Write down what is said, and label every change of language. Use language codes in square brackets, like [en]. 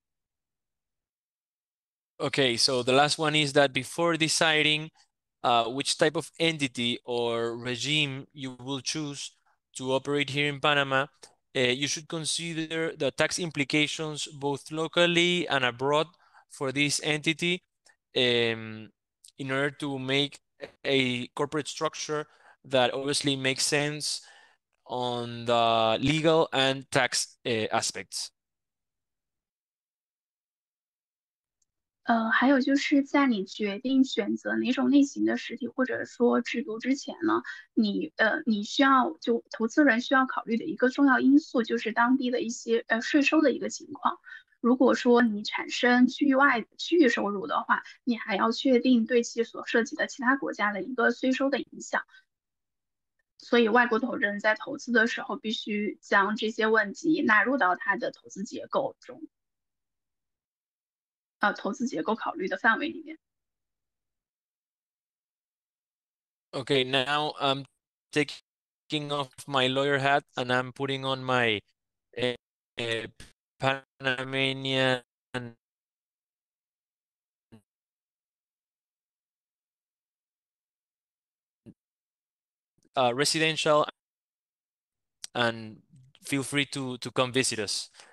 [zh] 然后这是这个规则所必须要进行的。然后就是说你必须得提供你有关的身份背景、资金的来源，就比如说你是为了防止反洗钱等等方面的风险。然后你的投资目的必须是准确，然后你的信息是完整的。 [en] Okay, so the last one is that before deciding which type of entity or regime you will choose to operate here in Panama, you should consider the tax implications both locally and abroad for this entity in order to make a corporate structure that obviously makes sense on the legal and tax aspects. [zh] 还有就是在你决定选择哪种类型的实体或者说制度之前呢，你需要就投资人需要考虑的一个重要因素就是当地的一些税收的一个情况。如果说你产生区域收入的话，你还要确定对其所涉及的其他国家的一个税收的影响。所以，外国投资人在投资的时候，必须将这些问题纳入到他的投资结构中，投资结构考虑的范围里面。 [en] Okay, now I'm taking off my lawyer hat and I'm putting on my Panamanian residential, and feel free to come visit us.